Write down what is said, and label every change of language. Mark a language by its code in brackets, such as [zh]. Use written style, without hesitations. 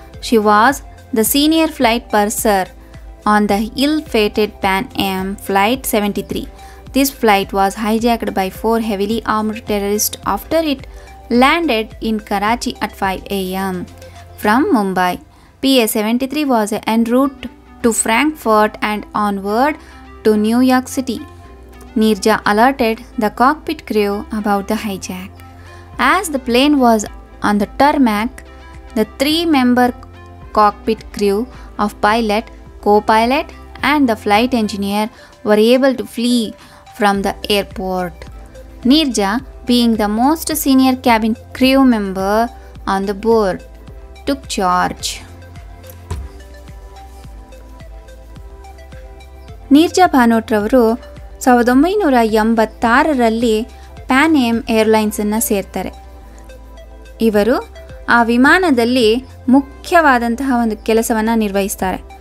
[en] She was the senior flight purser on the ill fated Pan Am flight 73. This flight was hijacked by 4 heavily armed terrorist after it landed in Karachi at 5 AM from Mumbai. PA-73 was en route to Frankfurt and onward to New York City. Nirja alerted the cockpit crew about the hijack. As the plane was on the tarmac, the three-member cockpit crew of pilot, co-pilot and the flight engineer were able to flee from the airport. Nirja, being the most senior cabin crew member on the board, took charge. [kn] ನೀರ್ಜಾ ಭಾನೋಟ್ರವರು 1986 PAN M ಏರ್ಲೈನ್ಸನ್ನು ಸೇರ್ತಾರೆ. ಇವರು ಆ ವಿಮಾನದಲ್ಲಿ ಮುಖ್ಯವಾದಂತಹ ಒಂದು ಕೆಲಸವನ್ನು ನಿರ್ವಹಿಸ್ತಾರೆ.